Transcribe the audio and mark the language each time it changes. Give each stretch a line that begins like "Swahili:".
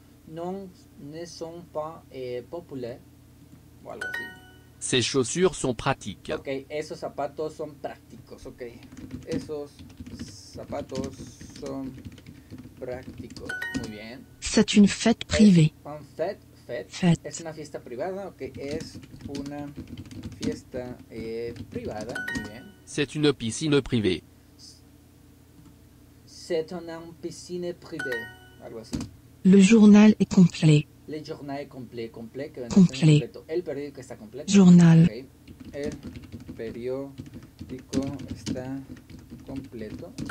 French: Non, ne sont pas populaires.
Spanish: O algo así.
French: Ces chaussures sont pratiques.
Spanish: Ok, esos zapatos son prácticos, ok. Esos zapatos son prácticos. Muy bien.
French: C'est une fête privée. Fête.
Spanish: Es una fiesta privada, ok. Es una fiesta privada. Muy bien.
French: C'est une piscine privée. C'est une piscine privée.
Spanish: Algo así.
French: Le journal est complet. Le journal est complet. Complet. Complet.
Spanish: El periódico está completo.
French: Journal. Okay.
Spanish: El periódico está completo.